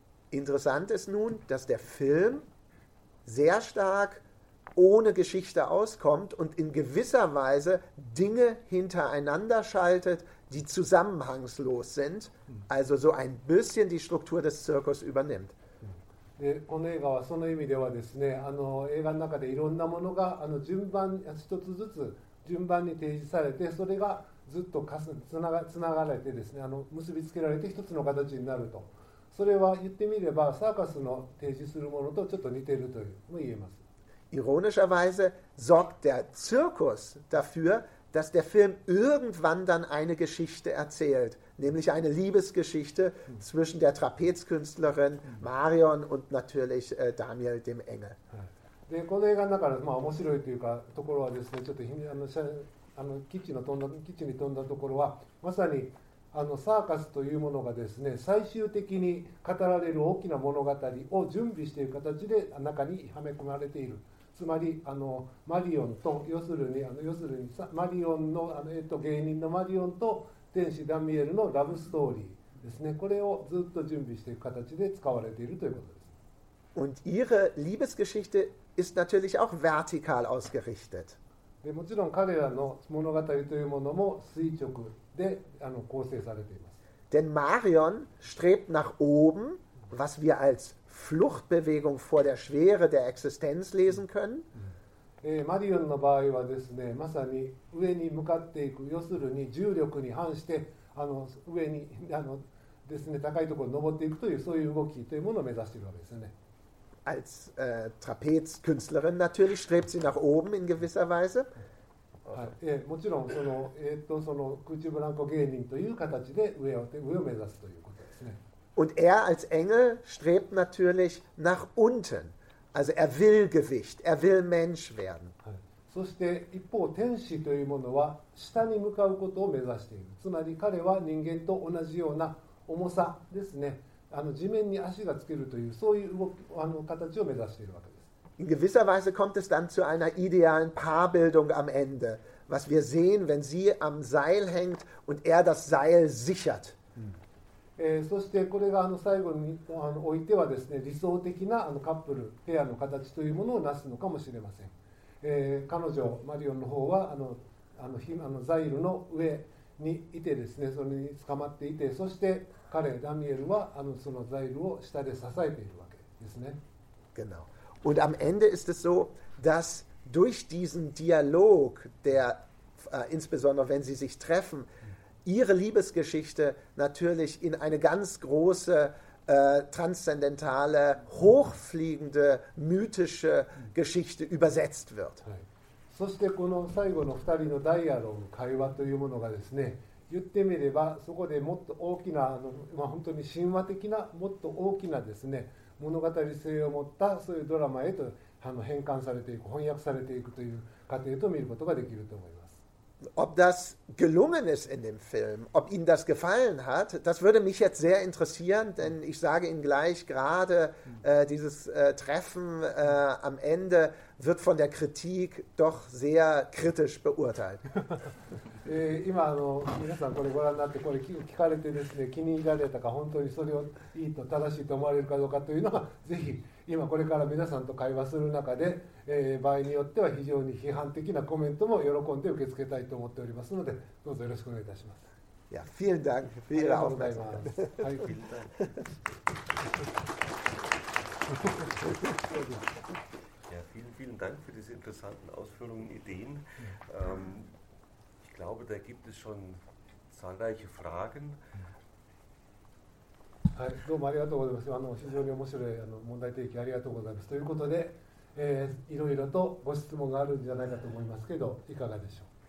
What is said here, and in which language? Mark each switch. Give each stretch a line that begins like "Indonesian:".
German: Interessant ist nun, dass der Film sehr stark ohne Geschichte auskommt und in gewisser Weise Dinge hintereinander schaltet. Die zusammenhangslos sind, also so ein bisschen die Struktur des Zirkus übernimmt.
Japanese: この映画はその意味ではですね、映画の中でいろんなものが順番一つずつ順番に提示されて、それがずっとつながれてですね、結びつけられて一つの形になると、それは言ってみればサーカスの提示するものとちょっと似ているというのも言えます。
German: Ironischerweise sorgt der Zirkus dafür. Dass der Film irgendwann dann eine Geschichte erzählt, nämlich eine Liebesgeschichte zwischen der Trapezkünstlerin Marion und natürlich Daniel dem Engel.
Japanese: で、この映画の中で、面白いというかところはですね、ちょっとキッチンに飛んだところは、まさにサーカスというものがですね、最終的に語られる大きな物語を準備している形で中にはめ込まれている。つまりマリオンと要するにマリオンの芸人のマリオンと天使ダミエルのラブストーリーですね。これをずっと準備していく形で使われているということです。
German: Und ihre Liebesgeschichte ist natürlich auch vertikal ausgerichtet.
Japanese: でもちろん彼らの物語というものも垂直で構成されています。
German: Denn Marion strebt nach oben, was wir alsFluchtbewegung vor der Schwere der Existenz lesen können.
Japanese: Marion の場合はですね、まさに上に向かっていく、要するに重力に反して上にですね、高いところに登っていくというそういう動きというものを目指しているわけですね。
German: Als Trapezkünstlerin natürlich strebt sie nach oben in gewisser Weise.
Japanese: もちろんその空中ブランコ芸人という形で上を目指すということですね。
German: Und als Engel strebt natürlich nach unten. Also will Gewicht, will Mensch werden.
Japanese: そして一方、天使というものは下に向かうことを目指している。つまり彼は人間と同じような重さですね。地面に足がつけるという、そういう形を目指しているわけです。
German: In gewisser Weise kommt es dann zu einer idealen Paarbildung am Ende, was wir sehen, wenn sie am Seil hängt und das Seil sichert.
Japanese: そしてこれが最後においてはですね、理想的なカップル、ペアの形というものをなすのかもしれません。彼女、マリオンの方はザイルの上にいてですね、それに捕まっていて、そして彼ダミエルはそのザイルを下で支えているわけですね。
German: Genau. Und am Ende ist es so, dass durch diesen Dialog, der insbesondere wenn sie sich treffen, ihre Liebesgeschichte natürlich in eine ganz große transzendentale, hochfliegende, mythische Geschichte übersetzt wird.
Japanese: そしてこの最後の2人のダイアログ、会話というものがですね、言ってみればそこでもっと大きな、本当に神話的な、もっと大きなですね、物語性を持ったそういうドラマへと変換されていく、翻訳されていくという過程と見ることができると思います。
German: Ob das gelungen ist in dem Film, ob Ihnen das gefallen hat, das würde mich jetzt sehr interessieren, denn ich sage Ihnen gleich, gerade dieses Treffen am Ende wird von der Kritik doch sehr kritisch beurteilt.
Japanese: 今皆さんこれご覧になってこれ聞かれてですね、気に入られたか、本当にそれをいいと正しいと思われるかどうかというのは、ぜひ今これから皆さんと会話する中で、場合によっては非常に批判的なコメントも喜んで受け付けたいと思っておりますので、どうぞよろしくお願いいたします。いや、
German: vielen Dank、
Japanese: ありがとうございます。はい、
German: vielen Dank。 Ja, vielen, vielen Dank für diese interessanten Ausführungen, Ideen. Ich glaube, da gibt es schon zahlreiche Fragen.
Japanese: はい、どうもありがとうございます。非常に面白い問題提起ありがとうございます。ということで、いろいろとご質問があるんじゃないかと思いますけど、いかがでしょう。